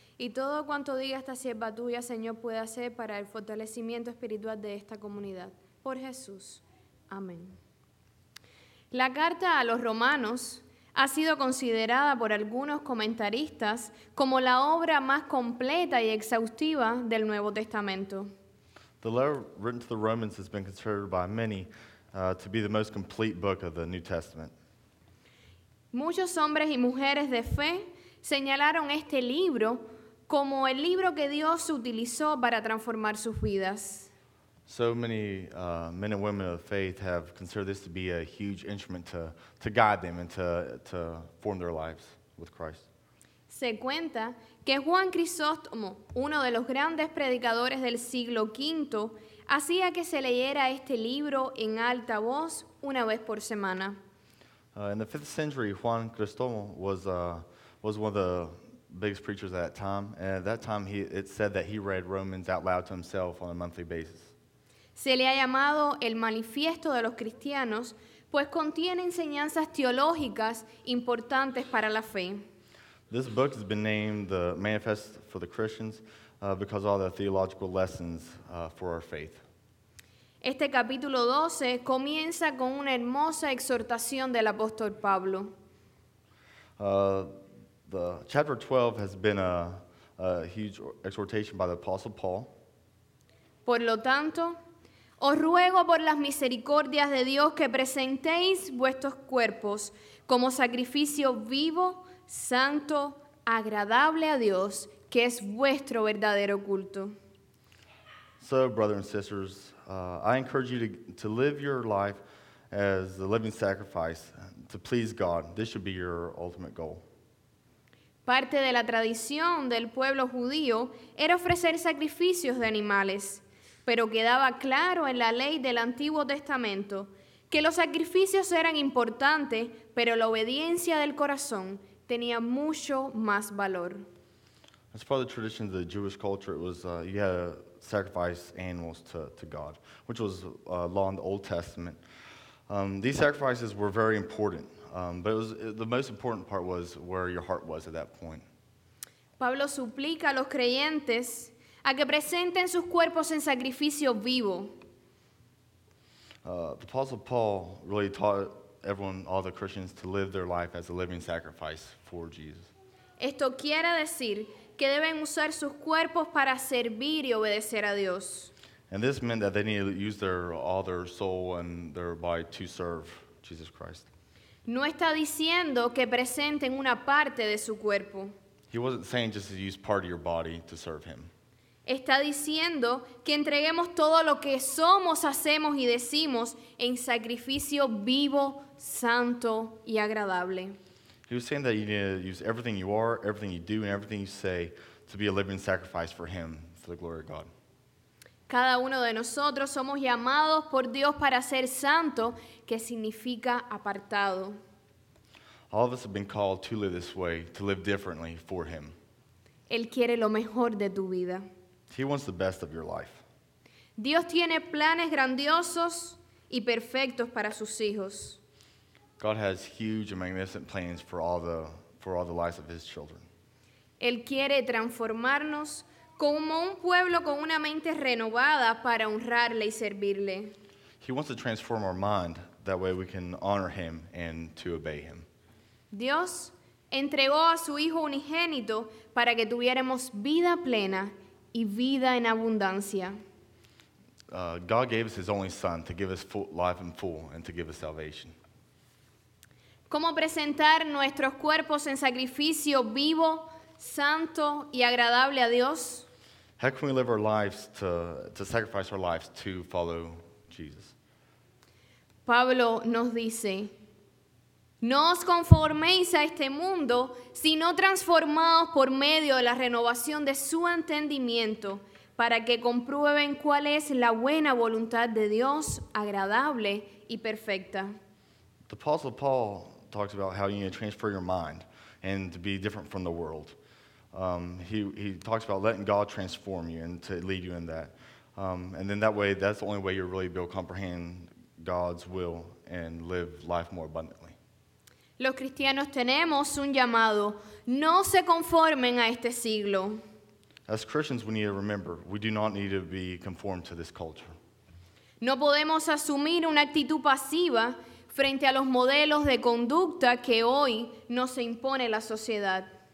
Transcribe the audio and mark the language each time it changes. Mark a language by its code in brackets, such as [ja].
[es] Y todo cuanto diga esta sierva tuya, Señor, pueda ser para el fortalecimiento espiritual de esta comunidad. Por Jesús. Amén. La carta a los romanos ha sido considerada por algunos comentaristas como la obra más completa y exhaustiva del Nuevo Testamento. [en] The letter written to the Romans has been considered by many to be the most complete book of the New Testament. [es] Muchos hombres y mujeres de fe señalaron este libro como el libro que Dios utilizó para transformar sus vidas. [en] So many men and women of faith have considered this to be a huge instrument to guide them and to form their lives with Christ. [es] Se cuenta que Juan Crisóstomo, uno de los grandes predicadores del siglo V, hacía que se leyera este libro en alta voz una vez por semana. [en] In the 5th century, Juan Crisóstomo was one of the biggest preachers at that time. And at that time, it said that he read Romans out loud to himself on a monthly basis. [es] Se le ha llamado el Manifiesto de los Cristianos, pues contiene enseñanzas teológicas importantes para la fe. [en] This book has been named the Manifest for the Christians because of all the theological lessons for our faith. [es] Este capítulo 12 comienza con una hermosa exhortación del apóstol Pablo. [en] The chapter 12 has been a huge exhortation by the apostle Paul. [es] Por lo tanto, os ruego por las misericordias de Dios que presentéis vuestros cuerpos como sacrificio vivo, santo, agradable a Dios, que es vuestro verdadero culto. [en] So, brothers and sisters, I encourage you to live your life as a living sacrifice to please God. This should be your ultimate goal. [es] Parte de la tradición del pueblo judío era ofrecer sacrificios de animales, pero quedaba claro en la ley del Antiguo Testamento que los sacrificios eran importantes, pero la obediencia del corazón tenía mucho más valor. [en] As part of the tradition of the Jewish culture, it was you had to sacrifice animals to God, which was law in the Old Testament. These sacrifices were very important, but the most important part was where your heart was at that point. [es] Pablo suplica a los creyentes a que presenten sus cuerpos en sacrificio vivo. [en] The Apostle Paul really taught everyone, all the Christians, to live their life as a living sacrifice for Jesus. [es] Esto quiere decir que deben usar sus cuerpos para servir y obedecer a Dios. [en] And this meant that they needed to use all their soul and their body to serve Jesus Christ. [es] No está diciendo que presenten una parte de su cuerpo. [en] He wasn't saying just to use part of your body to serve him. [es] Está diciendo que entreguemos todo lo que somos, hacemos y decimos en sacrificio vivo, santo y agradable. [en] He was saying that you need to use everything you are, everything you do, and everything you say to be a living sacrifice for him, for the glory of God. [es] Cada uno de nosotros somos llamados por Dios para ser santo, que significa apartado. [en] All of us have been called to live this way, to live differently for him. [es] Él quiere lo mejor de tu vida. [en] He wants the best of your life. [es] Dios tiene planes grandiosos y perfectos para sus hijos. [en] God has huge and magnificent plans for all the lives of his children. [es] Él quiere transformarnos como un pueblo con una mente renovada para honrarle y servirle. [en] He wants to transform our mind that way we can honor him and to obey him. [es] Dios entregó a su hijo unigénito para que tuviéramos vida plena y vida en abundancia. [en] God gave us his only son to give us full life in full and to give us salvation. [es] ¿Cómo presentar nuestros cuerpos en sacrificio vivo, santo y agradable a Dios? [en] How can we live our lives to sacrifice our lives to follow Jesus? [es] Pablo nos dice, no os conforméis a este mundo, sino transformaos por medio de la renovación de su entendimiento, para que comprueben cuál es la buena voluntad de Dios, agradable y perfecta. [en] The Apostle Paul talks about how you need to transfer your mind and to be different from the world. He talks about letting God transform you and to lead you in that. And then that way, that's the only way you'll really be able to comprehend God's will and live life more abundantly. [es] Los cristianos tenemos un llamado. No se conformen a este siglo. [en] As Christians, we need to remember, we do not need to be conformed to this culture. [es] No podemos asumir una actitud pasiva frente a los modelos de conducta que hoy nos impone la sociedad.